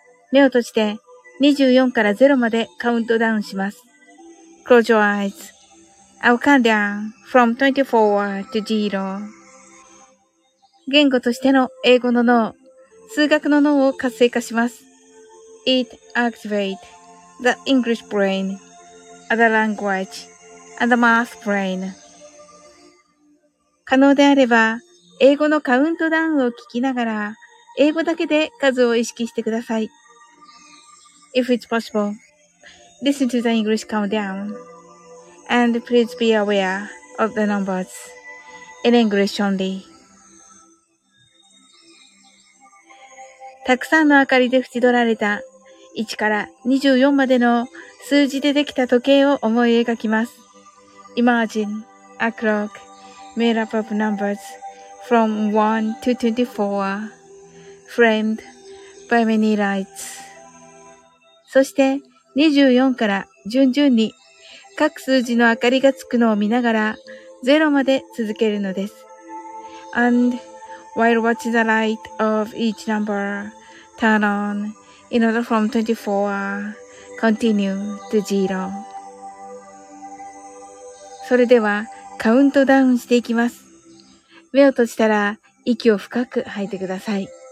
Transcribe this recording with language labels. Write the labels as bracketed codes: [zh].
[ja] 目を閉じて24から0までカウントダウンします。 [en] Close your eyes. I'll count down from 24 to 0. [ja] 言語としての英語の脳、数学の脳を活性化します。 [en] It activates. The English brain, the language, and the math brain. [ja] 可能であれば、英語のカウントダウンを聞きながら、英語だけで数を意識してください。 [en] If it's possible, listen to the English countdown. And please be aware of the numbers in English only. [ja] たくさんの明かりで縁取られた1から24までの数字でできた時計を思い描きます。 [en] Imagine a clock made up of numbers from 1 to 24, framed by many lights. [ja] そして24から順々に各数字の明かりがつくのを見ながら0まで続けるのです。 [en] And while watching the light of each number turn on,In order from 24, continue to zero. [ja] それでは、カウントダウンしていきます。目を閉じたら、息を深く吐いてください。